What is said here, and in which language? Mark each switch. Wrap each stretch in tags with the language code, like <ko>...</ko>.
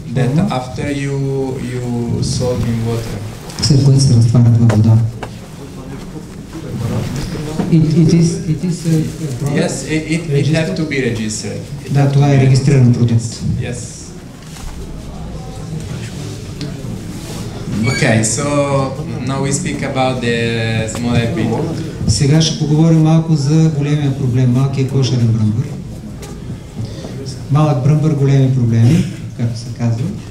<en>That after you soak in water.</en> <bg>След което се разтварят във вода.</bg> <en>It have to be registered.</en> <bg>Да, това е регистриран продукт.</bg> <en>Yes. Okay, so now we speak about the small epi.</en> <bg>Сега ще поговорим малко за големия проблем, малкия кошерен бръмбър. Малък бръмбър, големи проблеми, както се казва.</bg>